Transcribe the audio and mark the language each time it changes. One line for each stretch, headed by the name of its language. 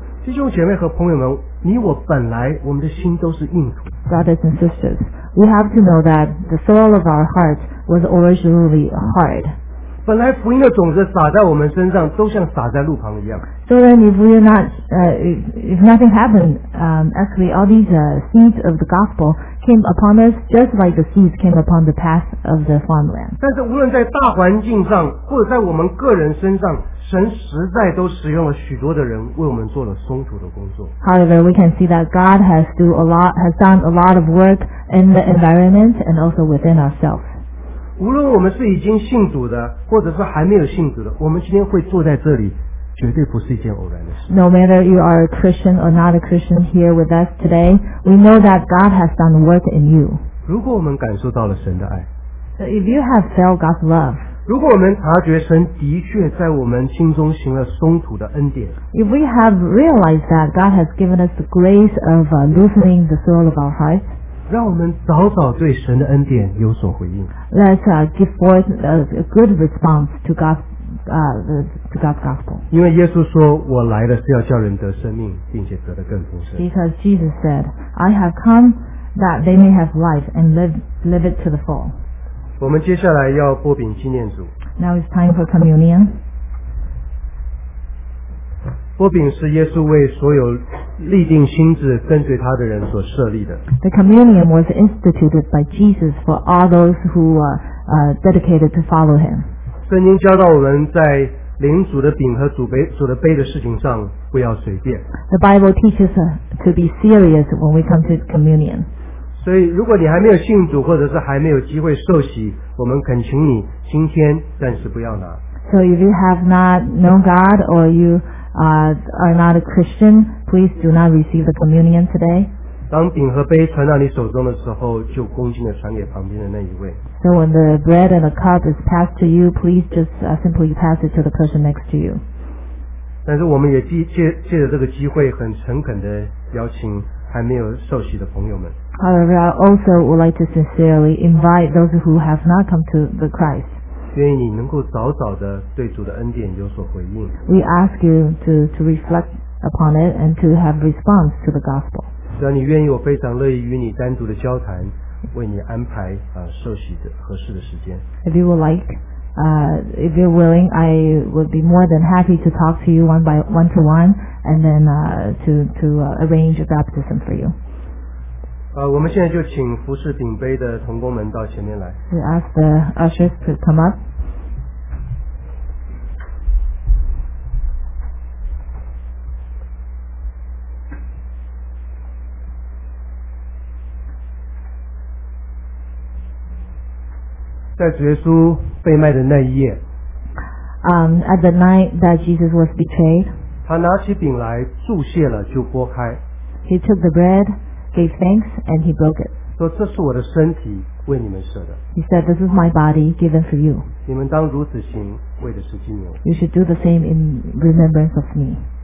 Chinese: 弟兄姐妹和朋友们，你我本来我们的心都是硬土。
English: Brothers and sisters, we have to know that the soil of our heart was originally hard.
Chinese: 本来福音的种子撒在我们身上，都像撒在路旁一样。
English: So then, if we're not, if nothing happened, actually all these seeds of the gospel came upon us just like the seeds came upon the path of the farmland.
Chinese: 但是无论在大环境上，或者在我们个人身上。神实在都使用了许多的人为我们做了松土的工作。
English: However, we can see that God has done a lot of work in the environment and also within ourselves.
Chinese: 无论我们是已经信主的，或者是还没有信主的，我们今天会坐在这里，绝对不是一件偶然的事。
English: No matter you are a Christian or not a Christian here with us today, we know that God has done work in you.
Chinese: 如果我们感受到了神的爱
English: ，So if you have felt God's love.
Chinese: 如果我们察觉神的确在我们心中行了松土的恩典
English: If we have realized that God has given us the grace of loosening the soil of our hearts
Chinese: 让我们早早对神的恩典有所回应
English: Let's give forth a good response to God's gospel
Chinese: 因为耶稣说我来的是要叫人得生命并且得得更丰盛
English: Because Jesus said I have come that they may have life and live it to the full
Chinese: 我们接下来要擘饼纪念主。
English: Now it's time for communion.
Chinese: 擘饼是耶稣为所有立定心志跟随他的人所设立的。
English: The communion was instituted by Jesus for all those who are dedicated to follow him.
Chinese: 圣经教导我们在领主的饼和主的杯的事情上不要随便。
English: The Bible teaches to be serious when we come to communion.
Chinese: 所以如果你还没有信主或者是还没有机会受洗我们恳请你今天暂时不要拿
English: So if you have not known God or you are not a Christian please do not receive the communion today
Chinese: 当饼和杯传到你手中的时候就恭敬地传给旁边的那一位
English: So when the bread and the cup is passed to you please just simply pass it to the person next to you
Chinese: 但是我们也借着这个机会很诚恳地邀请还没有受洗的朋友们
English: However, I also would like to sincerely invite those who have not come to the Christ.
Chinese: 愿你能够早早的对主的恩典有所回应。
English: We ask you to reflect upon it and to have response to the gospel.
Chinese: 只要你愿意，我非常乐意与你单独的交谈，为你安排受洗的合适的时间。
English: If you would like, if you're willing, I would be more than happy to talk to you one to one. And then to arrange a baptism for you.
Chinese: 我们现在就请服侍饼杯的同工们到前面来。
English: We ask the ushers to come up.
Chinese: 在主耶稣被卖的那一夜。
English: At the night that Jesus was betrayed.
Chinese: 他拿起饼来祝谢了就拨开
English: He took the bread gave thanks and he broke it
Chinese: 说这是我的身体为你们舍的
English: He said this is my body given for you
Chinese: 你们当如此行为的是纪念
English: You should do the same in remembrance of me